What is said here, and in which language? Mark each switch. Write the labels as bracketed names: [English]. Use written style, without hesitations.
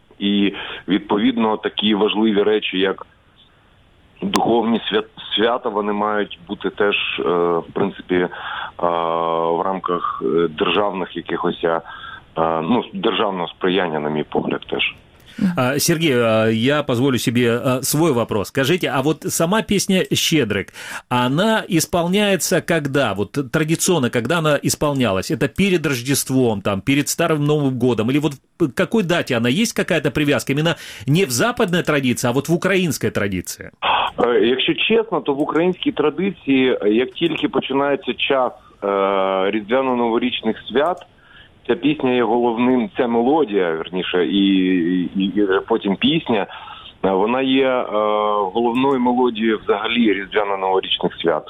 [Ukrainian] І, відповідно, такі важливі речі, як духовні свята, вони мають бути теж, в принципі, в рамках державних якихось, державного сприяння, на мій погляд, теж. [Russian] Сергей, я позволю себе свой вопрос. Скажите, а вот сама песня «Щедрик», она исполняется когда? Вот традиционно, когда она исполнялась? Это перед Рождеством, там, перед Старым Новым Годом? Или вот в какой дате она есть какая-то привязка? Именно не в западной традиции, а вот в украинской традиции? Если честно, то в украинской традиции, как только начинается час [Ukrainian] Різдвяно-новорічних свят, ця пісня є головним, ця мелодія, верніше, і потім пісня, вона є головною мелодією взагалі різдвяно-новорічних свят.